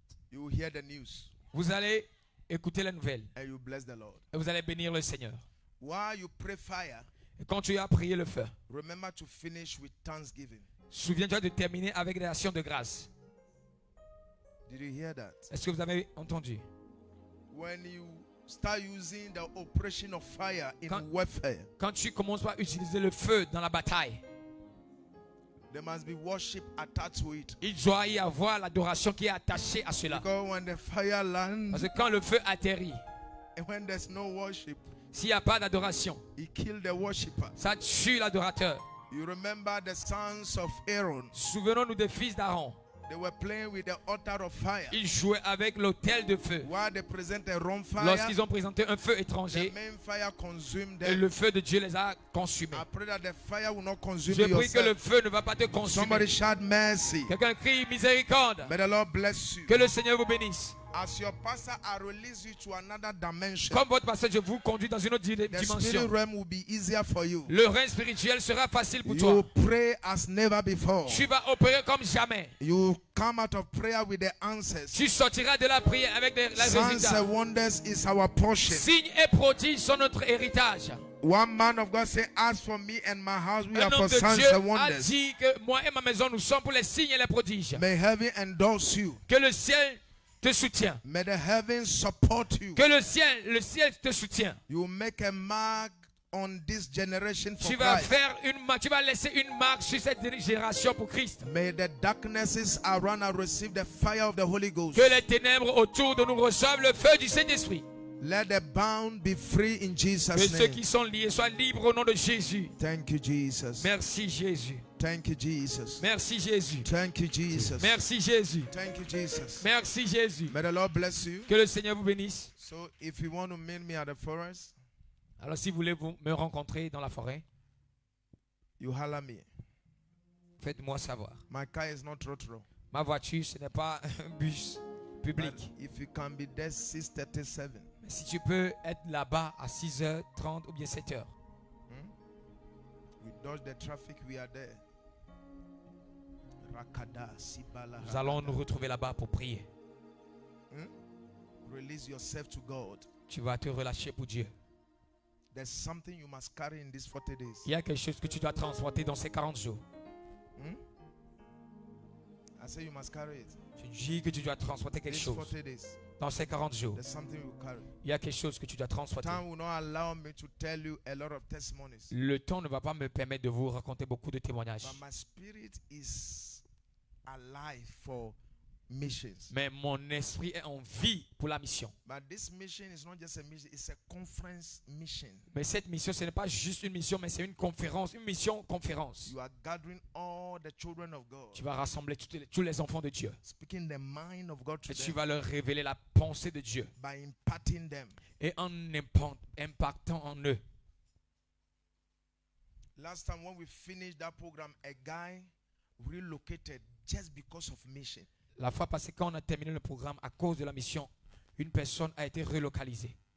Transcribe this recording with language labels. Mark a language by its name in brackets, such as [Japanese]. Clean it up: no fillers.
[English] You will hear the news. [French] Vous allez écoutez la nouvelle. [English] And you bless the Lord. [French] Et vous allez bénir le Seigneur. [English] While you pray fire, [French] et quand tu as prié le feu, [English] remember to finish with thanksgiving. [French] Souviens-toi de terminer avec des actions de grâce. [English] Did you hear that? [French] Est-ce que vous avez entendu? [English] When you start using the operation of fire in warfare, [French] quand tu commences à utiliser le feu dans la bataille, [English] there must be worship attached to it. [French] Il doit y avoir l'adoration qui est attachée à cela. [English] Because when the fire lands, [French] parce que quand le feu atterrit, [English] and when there's no worship, [French] s'il n'y a pas d'adoration, [English] it kill the worshipper. [French] Ça tue l'adorateur. [English] You remember the sons of Aaron? [French] Souvenons-nous des fils d'Aaron. [English] They were playing with the altar of fire. [French] Ils jouaient avec l'autel de feu. [English] While they present a wrong fire, [French] lorsqu'ils ont présenté un feu étranger, [English] the main fire consumed them. [French] Et le feu de Dieu les a consumés. [English] I pray that the fire will not consume [French] je prie [English] yourself. [French] Que le feu ne va pas te consumer. [English] Somebody shout mercy. [French] Quelqu'un crie miséricorde. [English] May the Lord bless you. [French] Que le Seigneur vous bénisse. [English] As your pastor, I release you to another dimension. [French] Comme votre pasteur, je vous conduis dans une autre dimension. [English] The spiritual realm will be easier for you. [French] Le règne spirituel sera facile pour [English] you [French] toi. [English] You pray as never before. [French] Tu vas opérer comme jamais. [English] You come out of prayer with the answers. [French] Tu sortiras de la prière avec les résultats. [English] Signs and wonders is our portion. [French] Signes et prodiges sont notre héritage. [English] One man of God said, "Ask for me and my house; we [French] un [English] are for [French] de [English] signs [French] Dieu [English] and wonders." [French] A dit que moi et ma maison nous sommes pour les signes et les prodiges. [English] May heaven endorse you. [French] Que le ciel te soutient. [English] May the heavens support you. [French] Que le ciel te soutient. [English] You make a mark on this generation for Christ. [French] Tu vas laisser une marque sur cette génération pour Christ. [English] May the darknesses around us receive the fire of the Holy Ghost. [French] Que les ténèbres autour de nous reçoivent le feu du Saint-Esprit. [English] Let the bound be free in Jesus' name. [French] Que ceux qui sont liés soient libres au nom de Jésus. [English] Thank you, Jesus. [French] Merci, Jésus. [English] Thank you, Jesus. [French] Merci, Jésus. [English] Thank you, Jesus. [French] Merci, Jésus. [English] Thank you, Jesus. [French] Merci, Jésus. [English] May the Lord bless you. [French] Que le Seigneur vous bénisse. [English] So, if you want to meet me at the forest, [French] alors si vous voulez vous me rencontrer dans la forêt, [English] you holler me. [French] Faites-moi savoir. [English] My car is not trotro. [French] Ma voiture, ce n'est pas un bus public. [English] But if you can be there 6:37. [French] Si tu peux être là-bas à 6h30 ou bien 7h. [English] We dodge the traffic, we are there. Rakada, sibala, [French] nous allons nous retrouver là-bas pour prier. [English] Release yourself to God. [French] Tu vas te relâcher pour Dieu. [English] There's something you must carry in these 40 days. [French] Il y a quelque chose que tu dois transporter dans ces 40 jours. [English] I say you must carry it. [French] Tu dis que tu dois transporter quelque [English] these [French] chose. [English] 40 days. [French] Dans ces 40 jours, [English] there's something you carry. [French] Il y a quelque chose que tu dois transporter. [English] Time will not allow me to tell you a lot of testimonies. [French] Le temps ne va pas me permettre de vous raconter beaucoup de témoignages. [English] But my spirit is alive for missions. [French] Mais mon esprit est en vie pour la mission. [English] But this mission is not just a mission, it's a conference mission. [French] Mais cette mission, ce n'est pas juste une mission, mais c'est une conférence, une mission conférence. [English] You are gathering all the children of God. [French] Tu vas rassembler tous les enfants de Dieu. [English] Speaking the mind of God to them. [French] Et tu vas leur révéler la pensée de Dieu. [English] By impacting them. [French] Et en impactant en eux. [English] Last time when we finished that program, a guy relocated just because of mission. [French] La fois passée, quand on a terminé le programme à cause de la mission, une personne a été relocalisée.